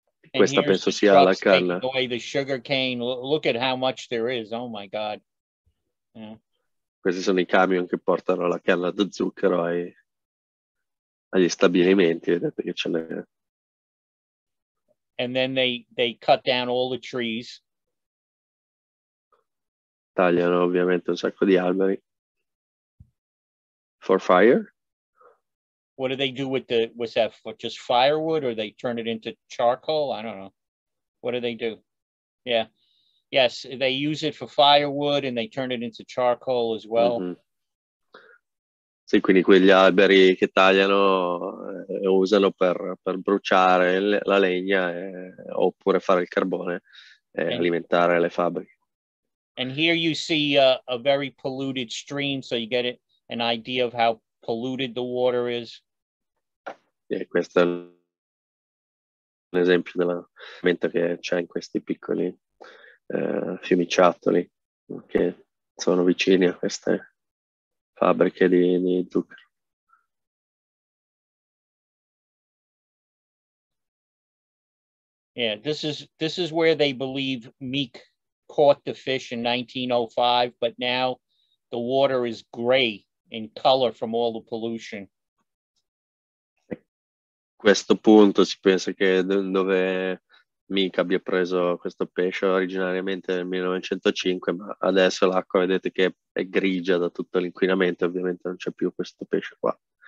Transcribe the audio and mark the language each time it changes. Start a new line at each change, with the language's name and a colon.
Italian: questa penso sia la canna.
English: The sugar cane. Look at how much there is. Oh my god. Yeah.
Italian: Questi sono I camion che portano la canna da zucchero agli stabilimenti. Vedete che ce n'è.
English: And then they cut down all the trees.
Italian: Tagliano ovviamente un sacco di alberi
English: for fire. What do they do with the what's that for, just firewood, or they turn it into charcoal? I don't know. What do? Yeah, yes, they use it for firewood and they turn it into charcoal as well. Mm-hmm.
Italian: Sì, quindi quegli alberi che tagliano usano per bruciare la legna oppure fare il carbone e alimentare le fabbriche.
English: And here you see a very polluted stream, so you get an idea of how polluted the water is.
Italian: Yeah, questo è un esempio della mente che c'è in questi piccoli fiumiciattoli che sono vicini a queste fabbriche di zucchero.
English: Yeah, this is where they believe Meek caught the fish in 1905, but now the water is gray in color from all the pollution.
Italian: questo punto si pensa che dove Mick abbia preso questo pesce originariamente nel 1905, ma adesso l'acqua vedete che è grigia da tutto l'inquinamento, ovviamente non c'è più questo pesce qua.